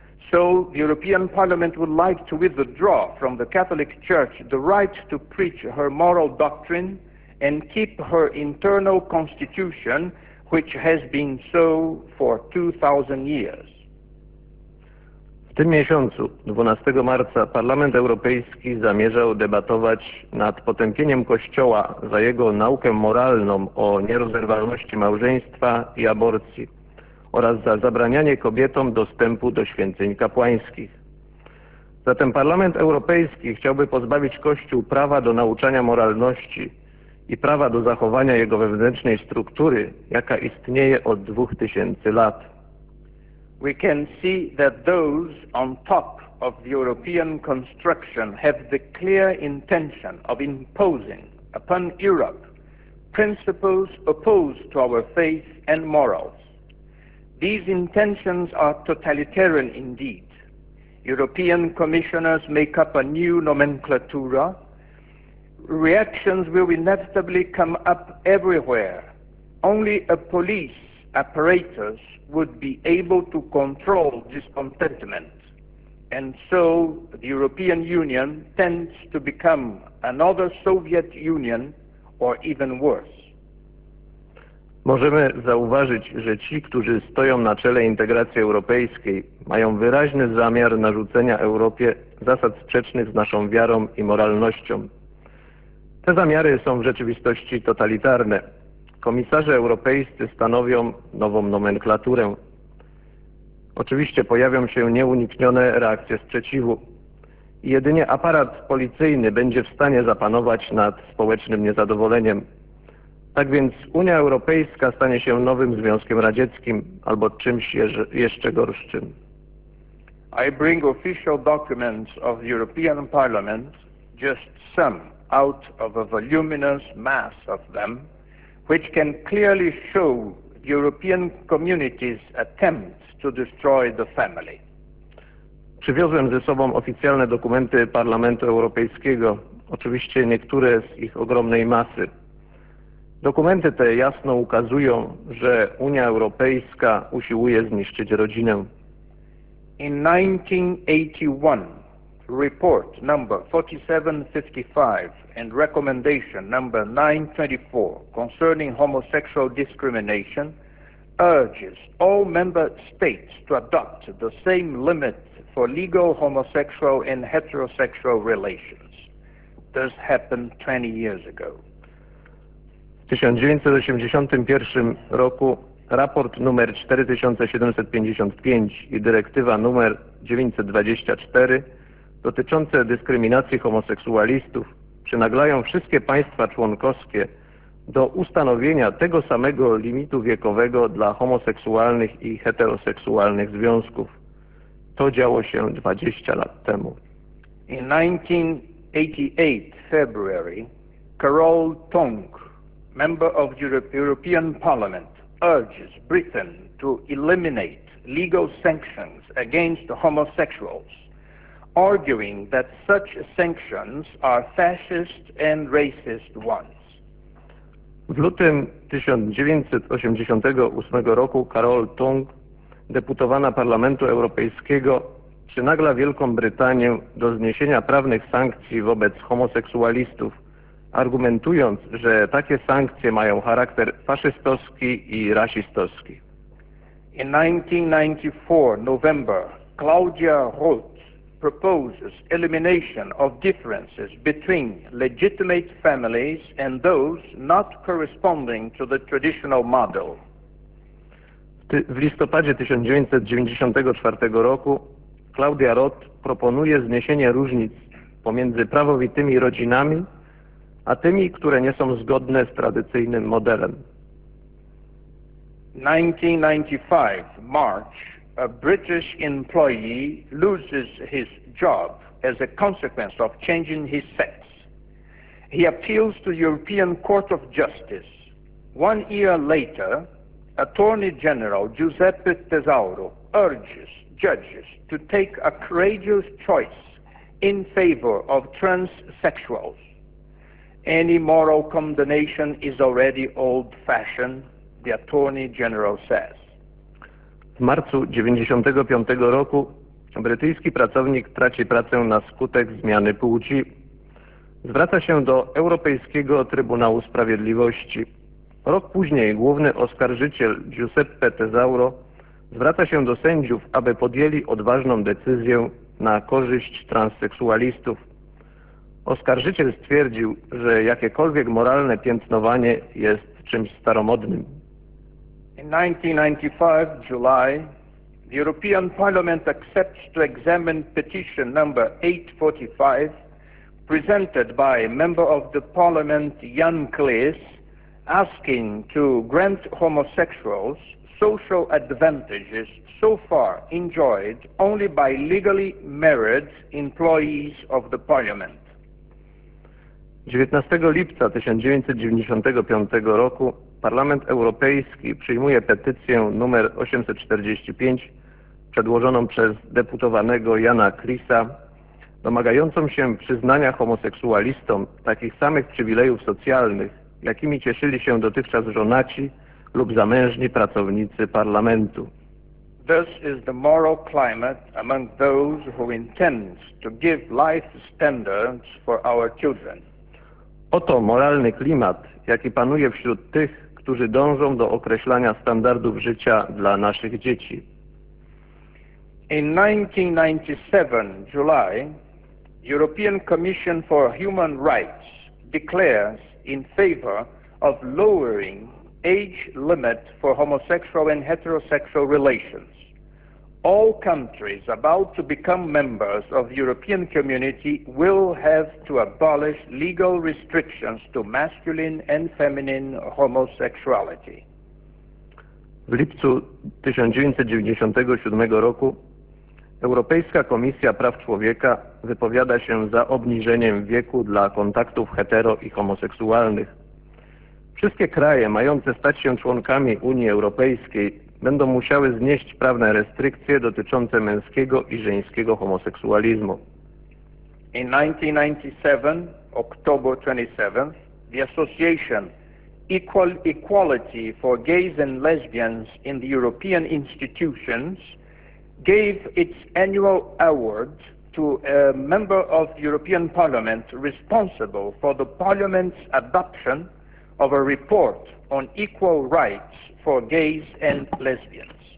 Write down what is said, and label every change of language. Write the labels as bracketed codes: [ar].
[en] So the European Parliament would like to withdraw from the Catholic Church the right to preach her moral doctrine and keep her internal constitution, which has been so for 2,000 years. [pl] W tym miesiącu, 12 marca, Parlament Europejski zamierzał debatować nad potępieniem Kościoła za jego naukę moralną o nierozerwalności małżeństwa i aborcji oraz za zabranianie kobietom dostępu do święceń kapłańskich. Zatem Parlament Europejski chciałby pozbawić Kościół prawa do nauczania moralności i prawa do zachowania jego wewnętrznej struktury, jaka istnieje od 2000 lat. [en] We can see that those on top of the European construction have the clear intention of imposing upon Europe principles opposed to our faith and morals. These intentions are totalitarian indeed. European commissioners make up a new nomenclatura. Reactions will inevitably come up everywhere. Only a police apparatus would be able to control discontentment. And so the European Union tends to become another Soviet Union, or even worse. [pl] Możemy zauważyć, że ci, którzy stoją na czele integracji europejskiej, mają wyraźny zamiar narzucenia Europie zasad sprzecznych z naszą wiarą i moralnością. Te zamiary są w rzeczywistości totalitarne. Komisarze europejscy stanowią nową nomenklaturę. Oczywiście pojawią się nieuniknione reakcje sprzeciwu. Jedynie aparat policyjny będzie w stanie zapanować nad społecznym niezadowoleniem. Tak więc Unia Europejska stanie się nowym Związkiem Radzieckim albo czymś jeszcze gorszym. [en] I bring official documents of the European Parliament, just some out of a voluminous mass of them, which can clearly show European communities' attempt to destroy the family. [pl] Przywiozłem ze sobą oficjalne dokumenty Parlamentu Europejskiego, oczywiście niektóre z ich ogromnej masy. Dokumenty te jasno ukazują, że Unia Europejska usiłuje zniszczyć rodzinę. [en] In 1981, report number 4755 and recommendation number 924 concerning homosexual discrimination urges all member states to adopt the same limits for legal homosexual and heterosexual relations. This happened 20 years ago. [pl] W 1981 roku raport numer 4755 i dyrektywa numer 924 dotyczące dyskryminacji homoseksualistów przynaglają wszystkie państwa członkowskie do ustanowienia tego samego limitu wiekowego dla homoseksualnych i heteroseksualnych związków. To działo się 20 lat temu. [en] In 1988 February, Carol Tong, member of the European Parliament, urges Britain to eliminate legal sanctions against homosexuals, arguing that such sanctions are fascist and racist ones. [pl] W lutym 1988 roku Carol Tung, deputowana Parlamentu Europejskiego, przynagla Wielką Brytanię do zniesienia prawnych sankcji wobec homoseksualistów, argumentując, że takie sankcje mają charakter faszystowski i rasistowski. [en] In 1994 November, Claudia Roth proposes elimination of differences between legitimate families and those not corresponding to the traditional model. [pl] W listopadzie 1994 roku Claudia Roth proponuje zniesienie różnic pomiędzy prawowitymi rodzinami a tymi, które nie są zgodne z tradycyjnym modelem. [en] 1995 March, a British employee loses his job as a consequence of changing his sex. He appeals to the European Court of Justice. One year later, Attorney General Giuseppe Tesauro urges judges to take a courageous choice in favor of transsexuals. Any moral condemnation is already old-fashioned, the Attorney General says. [pl] W marcu 1995 roku brytyjski pracownik traci pracę na skutek zmiany płci. Zwraca się do Europejskiego Trybunału Sprawiedliwości. Rok później główny oskarżyciel Giuseppe Tesauro zwraca się do sędziów, aby podjęli odważną decyzję na korzyść transseksualistów. Oskarżyciel stwierdził, że jakiekolwiek moralne piętnowanie jest czymś staromodnym. [en] In 1995 July, the European Parliament accepts to examine petition number 845 presented by a member of the Parliament Jan Kleese asking to grant homosexuals social advantages so far enjoyed only by legally married employees of the Parliament. [pl] 19 lipca 1995 roku Parlament Europejski przyjmuje petycję numer 845 przedłożoną przez deputowanego Jana Kleesa domagającą się przyznania homoseksualistom takich samych przywilejów socjalnych, jakimi cieszyli się dotychczas żonaci lub zamężni pracownicy parlamentu. [en] This is the moral climate among those who intend to give life standards for our children. [pl] Oto moralny klimat, jaki panuje wśród tych, którzy dążą do określania standardów życia dla naszych dzieci. [en] In 1997 July, European Commission for Human Rights declares in favor of lowering age limit for homosexual and heterosexual relations. All countries about to become members of the European community will have to abolish legal restrictions to masculine and feminine homosexuality. [pl] W lipcu 1997 roku Europejska Komisja Praw Człowieka wypowiada się za obniżeniem wieku dla kontaktów hetero i homoseksualnych. Wszystkie kraje mające stać się członkami Unii Europejskiej będą musiały znieść prawne restrykcje dotyczące męskiego i żeńskiego homoseksualizmu. [en] In 1997, October 27th, the Association Equality for Gays and Lesbians in the European Institutions gave its annual award to a member of the European Parliament responsible for the Parliament's adoption of a report on equal rights for gays and lesbians.